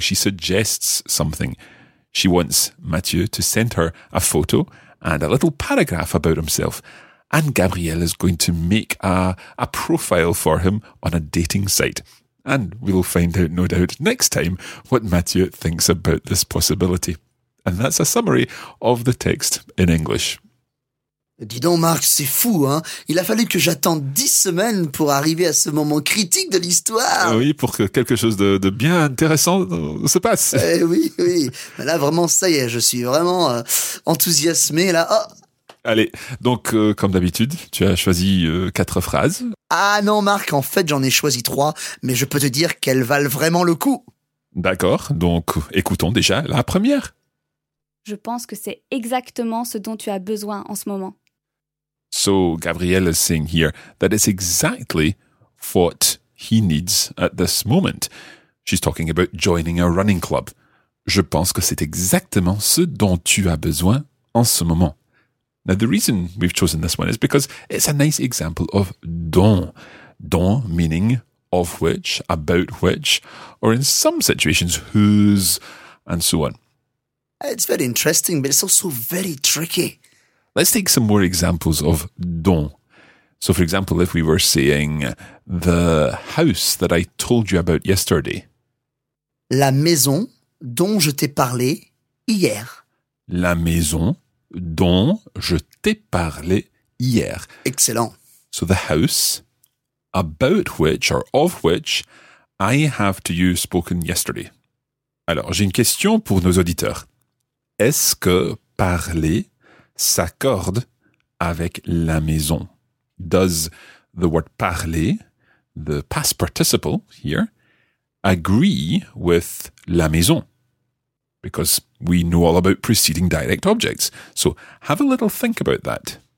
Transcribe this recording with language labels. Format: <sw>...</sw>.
<en>She suggests something. She wants Mathieu to send her a photo and a little paragraph about himself. And Gabrielle is going to make a profile for him on a dating site. And we'll find out, no doubt, next time what Mathieu thinks about this possibility. And that's a summary of the text in English.</en> <fr>Dis donc, Marc, c'est fou, hein? Il a fallu que j'attende 10 semaines pour arriver à ce moment critique de l'histoire. Oui, pour que quelque chose de bien intéressant se passe. Oui. Mais là, vraiment, ça y est, je suis vraiment enthousiasmé, là. Oh. Allez, donc, comme d'habitude, tu as choisi 4 phrases. Ah non, Marc, en fait, j'en ai choisi 3, mais je peux te dire qu'elles valent vraiment le coup. D'accord, donc écoutons déjà la première. Je pense que c'est exactement ce dont tu as besoin en ce moment.</fr> <en>So, Gabrielle is saying here that it's exactly what he needs at this moment. She's talking about joining a running club. Je pense que c'est exactement ce dont tu as besoin en ce moment. Now, the reason we've chosen this one is because it's a nice example of dont. Dont meaning of which, about which, or in some situations, whose, and so on. It's very interesting, but it's also very tricky. Let's take some more examples of dont. So, for example, if we were saying the house that I told you about yesterday.</en> <fr>La maison dont je t'ai parlé hier. La maison dont je t'ai parlé hier.</fr> <en>Excellent. So, the house about which or of which I have to you spoken yesterday.</en> <fr>Alors, j'ai une question pour nos auditeurs. Est-ce que parler s'accorde avec la maison?</fr> <en>Does the word parler, the past participle here, agree with la maison? because we know all about preceding direct objects. So have a little think about that.</en>